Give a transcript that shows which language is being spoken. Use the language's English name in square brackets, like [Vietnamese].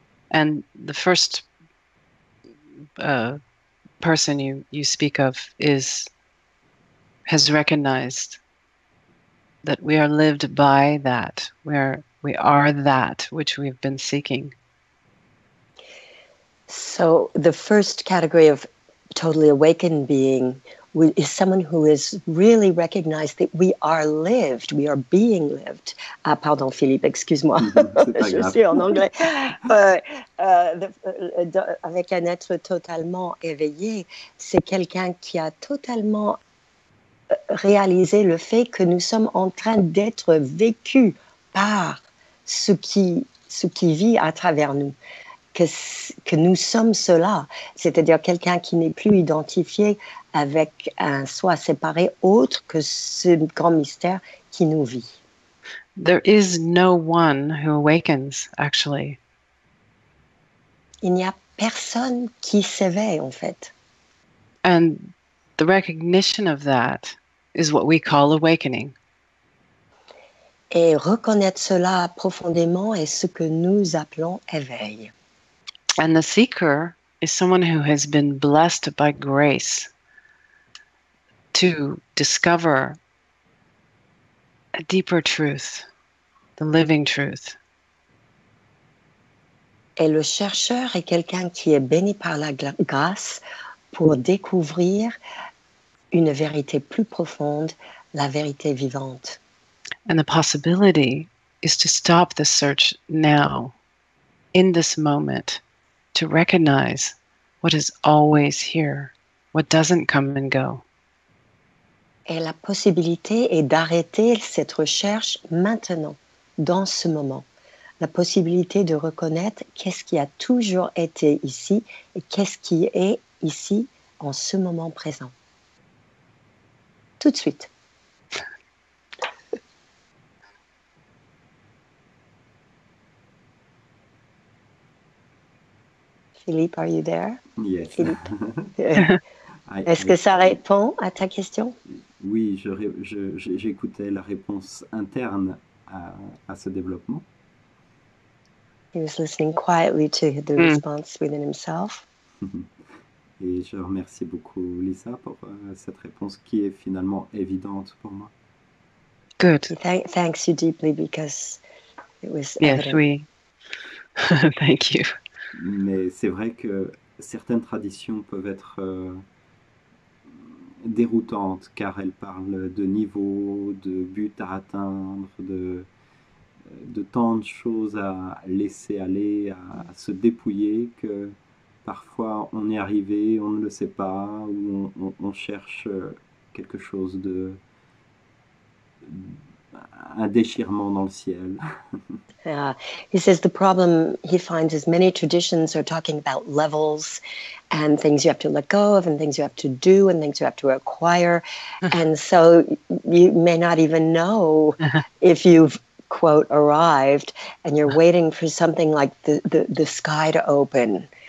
[English] And the first person you speak of has recognized that we are lived by that, we are that which we've been seeking. So the first category of totally awakened being is someone who has really recognized that we are lived, we are being lived. [French] Ah, pardon, Philippe, excuse-moi. Je suis en anglais. Avec un être totalement éveillé, c'est quelqu'un qui a totalement réalisé le fait que nous sommes en train d'être vécus par ce qui vit à travers nous. Que nous sommes cela, c'est-à-dire quelqu'un qui n'est plus identifié avec un soi séparé autre que ce grand mystère qui nous vit. [English] There is no one who awakens, actually. [French] Il n'y a personne qui s'éveille, en fait. [English] And the recognition of that is what we call awakening. [French] Et reconnaître cela profondément est ce que nous appelons éveil. [English] And the seeker is someone who has been blessed by grace to discover a deeper truth, the living truth. [French] Et le chercheur est quelqu'un qui est béni par la grâce pour découvrir une vérité plus profonde, la vérité vivante. [English] And the possibility is to stop the search now, in this moment, to recognize what is always here, what doesn't come and go. [French] Et la possibilité est d'arrêter cette recherche maintenant, dans ce moment. La possibilité de reconnaître qu'est-ce qui a toujours été ici et qu'est-ce qui est ici en ce moment présent. Tout de suite. [English] Philippe, are you there? Yes. [French] Est-ce que ça répond à ta question? Oui, j'écoutais la réponse interne à ce développement. [English] He was listening quietly to the response within himself. [French] Et je remercie beaucoup Lisa pour cette réponse qui est finalement évidente pour moi. [English] Good. Thanks you deeply because it was Yes, evident. we. Thank you. [French] Mais c'est vrai que certaines traditions peuvent être déroutantes car elles parlent de niveaux, de buts à atteindre, de tant de choses à laisser aller, à se dépouiller que parfois on est arrivé, on ne le sait pas, ou on cherche quelque chose de un déchirement dans le ciel. [English] He says the problem he finds is many traditions are talking about levels and things you have to let go of and things you have to do and things you have to acquire. And so you may not even know if you've, quote, arrived and you're waiting for something like the sky to open.